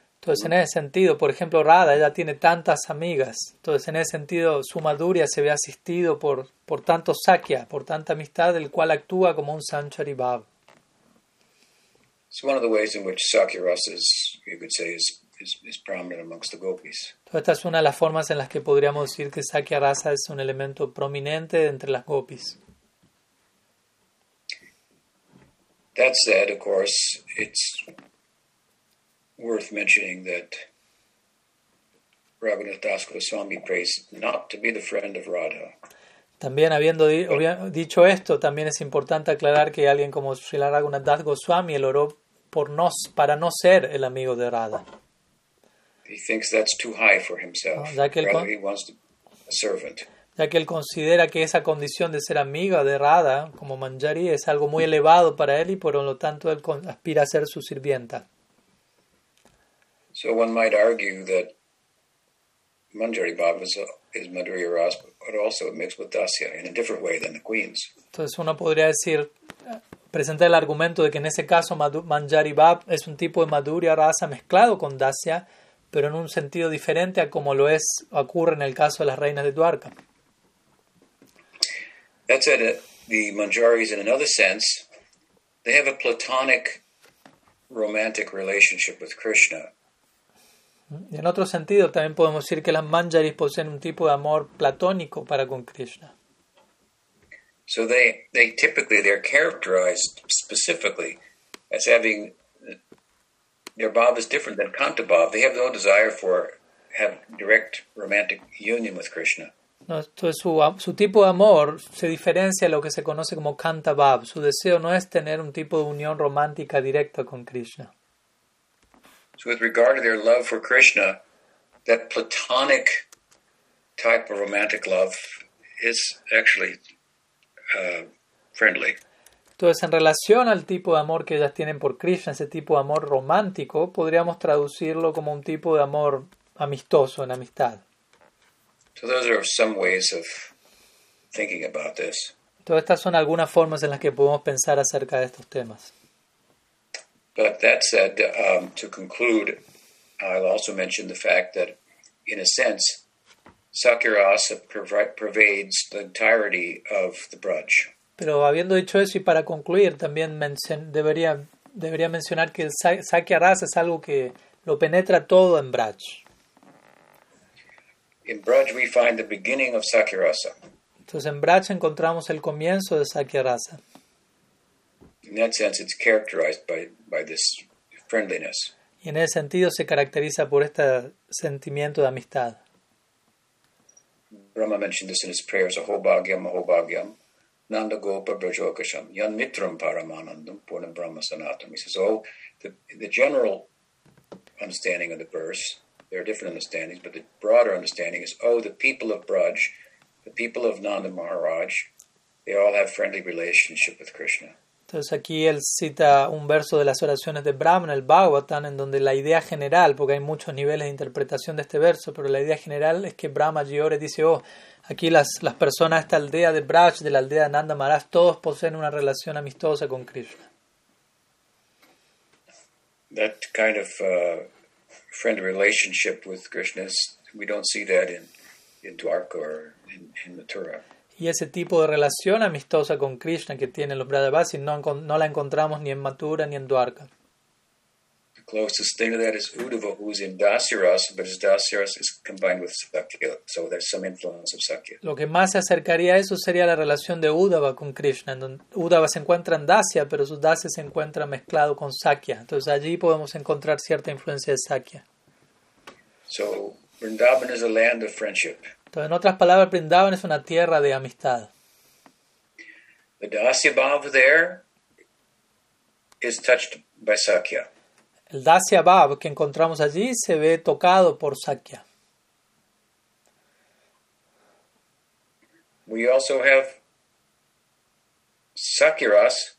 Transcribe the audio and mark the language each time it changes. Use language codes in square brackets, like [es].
[es] Entonces, en ese sentido, por ejemplo, Radha, ella tiene tantas amigas. Entonces, en ese sentido, su madhurya se ve asistido por tanto sakya, por tanta amistad, el cual actúa como un sanchari bhav. [en] It's one of the ways in which sakya rasa is, you could say, is prominent amongst the gopis. [es] Entonces, esta es una de las formas en las que podríamos decir que sakya rasa es un elemento prominente entre las gopis. [en] That said, of course, it's worth mentioning that Raghunath Das Goswami prays not to be the friend of Radha. [es] También habiendo dicho esto, también es importante aclarar que alguien como Srila Raghunath Das Goswami el oró para no ser el amigo de Radha. [en] He thinks that's too high for himself. He wants to be a servant. [es] Ya que él considera que esa condición de ser amiga de Radha como Manjari es algo muy elevado para él y por lo tanto él aspira a ser su sirvienta. [en] So one might argue that Manjari Bhava is Madhurya Ras, but also mixed with Dasya in a different way than the queens. [es] Entonces uno podría decir, presentar el argumento de que en ese caso Manjari Bhava es un tipo de Madhurya Rasa mezclado con Dasya, pero en un sentido diferente a como lo es, ocurre en el caso de las reinas de Dwarka. [en] That said, the Manjaris, in another sense, they have a platonic romantic relationship with Krishna. [es] Y en otro sentido, también podemos decir que las manjaris poseen un tipo de amor platónico para con Krishna. [en] So they typically, they're characterized specifically as having, their bhava is different than kanta bhava. They have no desire for have direct romantic union with Krishna. [es] No, entonces su tipo de amor se diferencia a lo que se conoce como kanta bhava. Su deseo no es tener un tipo de unión romántica directa con Krishna. [en] So with regard to their love for Krishna, that platonic type of romantic love is actually friendly. [es] Entonces, en relación al tipo de amor que ellas tienen por Krishna, ese tipo de amor romántico, podríamos traducirlo como un tipo de amor amistoso, en amistad. [en] So those are some ways of thinking about this. [es] Entonces, estas son algunas formas en las que podemos pensar acerca de estos temas. [en] But that said, to conclude, I'll also mention the fact that, in a sense, sakya rasa pervades the entirety of the braj. [es] Pero habiendo dicho eso y para concluir, también debería mencionar que el sakya rasa es algo que lo penetra todo en braj. [en] In braj, we find the beginning of sakya rasa. [es] Entonces, en braj encontramos el comienzo de sakya rasa. [en] In that sense, it's characterized by this friendliness. [es] Y en ese sentido se caracteriza por este sentimiento de amistad. [en] Brahma mentioned this in his prayers, [sa] aho bhagyam, nanda gopa brajokasham, yan mitram paramanandam, purnam brahma sanatam. [en] He says, oh, the general understanding of the verse, there are different understandings, but the broader understanding is, oh, the people of Braj, the people of Nanda Maharaj, they all have friendly relationship with Krishna. [es] Entonces aquí él cita un verso de las oraciones de Brahma, el Bhagavatam, en donde la idea general, porque hay muchos niveles de interpretación de este verso, pero la idea general es que Brahma Jiore dice, oh, aquí las personas de esta aldea de Braj, de la aldea de Nanda Maharaj, todos poseen una relación amistosa con Krishna. [en] That kind of friend relationship with Krishna, we don't see that in Dwarka or in Mathura. [es] Y ese tipo de relación amistosa con Krishna que tienen los Vrajavasis no la encontramos ni en Mathura ni en Dwarka. [en] The closest thing to that is Uddhava, who is in Dasyarasa, but his Dasyarasa is combined with Sakya, so there's some influence of Sakya. [es] Lo que más se acercaría a eso sería la relación de Uddhava con Krishna. Uddhava se encuentra en Dasya, pero su Dasya se encuentra mezclado con Sakya. Entonces allí podemos encontrar cierta influencia de Sakya. [en] So, Vrindavan is a land of friendship. [es] Entonces, en otras palabras, Vrindavan es una tierra de amistad. [en] The Dasya Bhav there is touched by Sakya. [es] El Dasya Bhav que encontramos allí se ve tocado por Sakya. [en] We also have Sakyaras.